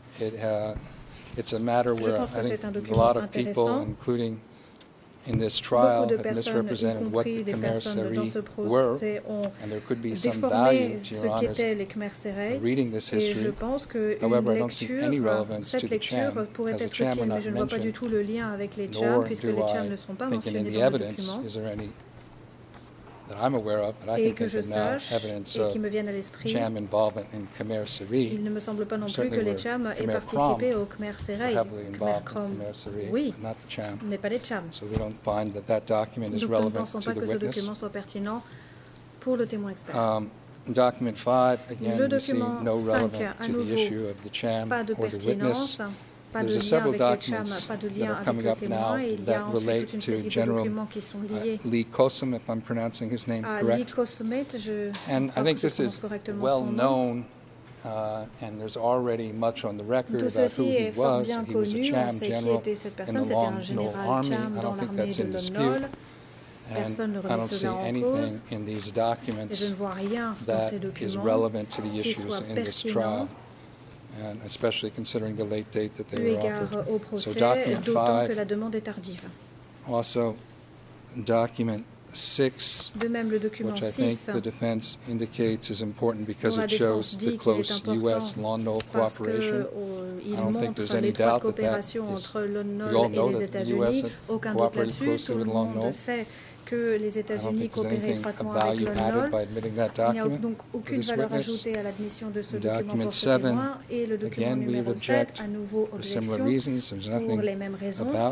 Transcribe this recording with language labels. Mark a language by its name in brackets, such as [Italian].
[English] It's a matter where I think a lot of people, including in this trial, have misrepresented what the Khmer Seri were, and there could be some value to Your Honor's reading this history. However, I don't see any relevance to the Cham, as the Cham were not mentioned, nor do I think in the evidence is there any that I'm aware of, but I think there's no evidence of Cham involvement in Khmer Seri. [French] Il ne me semble pas non plus que les Cham aient participé au Khmer Serai. [English] Khmer Seri, oui, not the Cham. [French] Mais pas les Cham. [English] So we don't find that that document is relevant to the witness. [French] Nous ne pensons pas que ce document soit pertinent pour le témoin expert. [English] Document 5, again, we see no relevance to the issue of the Cham or the witness. There's several documents that are coming up now that relate to General Lee Kosum, if I'm pronouncing his name correct. And I think this is well known, and there's already much on the record about who he was. He was a Cham general in the Long Nol Army. I don't think that's in dispute. And I don't see anything in these documents that is relevant to the issues in this trial, and especially considering the late date that they were offered. So document 5, also document 6, which I think the defense indicates is important because it shows the close U.S. Long-Nol cooperation. I don't think there's any doubt that that is, we all know that the U.S. cooperated closely with Long-Nol. [French] Que les États-Unis coopéraient étroitement avec le NOL. Il n'y a donc aucune valeur ajoutée à l'admission de ce document pour témoin. Et le document numéro 7, à nouveau objection pour les mêmes raisons.